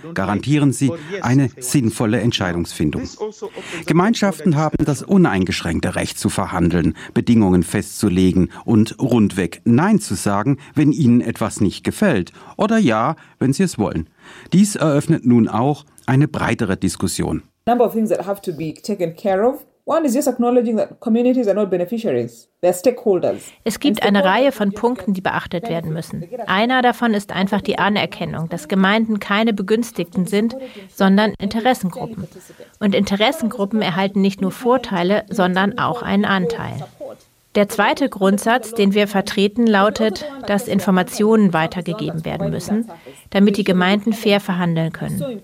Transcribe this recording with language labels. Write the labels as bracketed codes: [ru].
[de] Garantieren Sie eine sinnvolle Entscheidungsfindung. Gemeinschaften haben das uneingeschränkte Recht zu verhandeln, Bedingungen festzulegen und rundweg Nein zu sagen, wenn Ihnen etwas nicht gefällt, oder Ja, wenn Sie es wollen. Dies eröffnet nun auch eine breitere Diskussion. [en] Number of things that have to be taken care of. One is just acknowledging that communities are not beneficiaries. [de] Es gibt eine Reihe von Punkten, die beachtet werden müssen. Einer davon ist einfach die Anerkennung, dass Gemeinden keine Begünstigten sind, sondern Interessengruppen. Und Interessengruppen erhalten nicht nur Vorteile, sondern auch einen Anteil. Der zweite Grundsatz, den wir vertreten, lautet, dass Informationen weitergegeben werden müssen, damit die Gemeinden fair verhandeln können.